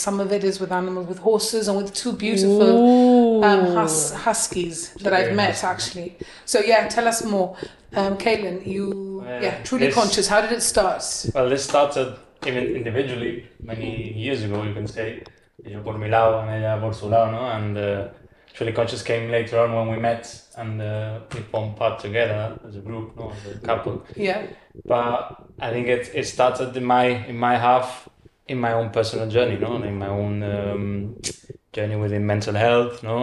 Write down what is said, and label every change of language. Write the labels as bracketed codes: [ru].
[en] Some of it is with animals, with horses and with two beautiful huskies that I've met, actually. So, yeah, tell us more. Kaylin, you... Truly this, Conscious. How did it start? Well, this started even individually many years ago, you can say. [es] Yo por mi lado, ella por su lado, no? [en] And Truly Conscious came later on when we met and we formed part together as a group, no? As a couple. Yeah. But I think it started in my half, in my own personal journey, no? And in my own journey within mental health, no?